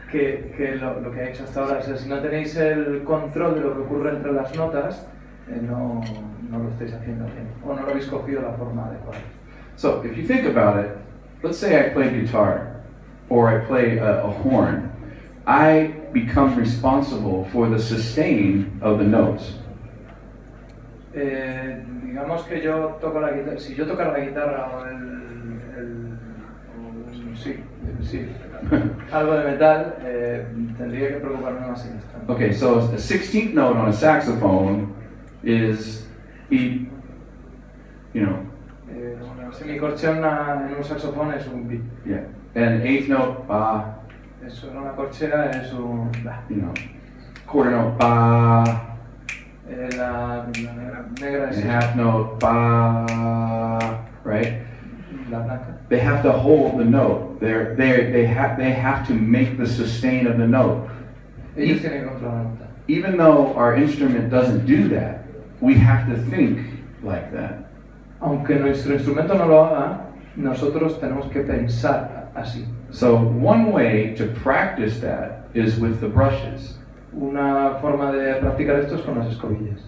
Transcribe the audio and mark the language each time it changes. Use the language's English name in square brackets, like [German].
[Spanish] que lo que ha hecho hasta ahora. O sea, si no tenéis el control de lo que ocurre entre las notas, no lo estáis haciendo bien. O no lo habéis cogido la forma adecuada. [English] So, if you think about it, let's say I play guitar, or I play a horn, I become responsible for the sustain of the notes. [Spanish] Digamos que yo toco la guitarra, si yo tocara la guitarra o algo de metal, tendría que preocuparme más en esto. [English] Okay, so a 16th note on a saxophone is, you know. [Spanish] Semicorchea en un saxofón es un beat. [English] Yeah, and eighth note, ba. [Spanish] Eso en una corchera es un [English] ba. You know, quarter note, ba. [Spanish] La negra [English] es. Half note, ba, right? [Spanish] La blanca. [English] They have to hold the note. They have to make the sustain of the note. [Spanish] Ellos tienen que controlar la nota. [English] Even though our instrument doesn't do that, we have to think like that. [Spanish] Aunque nuestro instrumento no lo haga, nosotros tenemos que pensar así. [English] So one way to practice that is with the brushes. [Spanish] Una forma de practicar esto es con las escobillas.